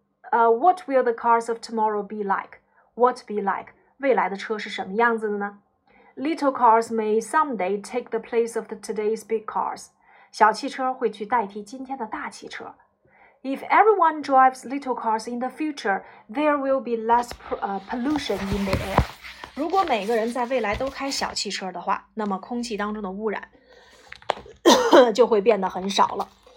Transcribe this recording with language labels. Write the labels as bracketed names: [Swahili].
[English] What will the cars of tomorrow be like? What be like? [Chinese] 未来的车是什么样子的呢? [English] Little cars may someday take the place of today's big cars. [Chinese] 小汽车会去代替今天的大汽车。 [English] If everyone drives little cars in the future, there will be less pollution in the air. [Chinese] 如果每个人在未来都开小汽车的话，那么空气当中的污染就会变得很少了。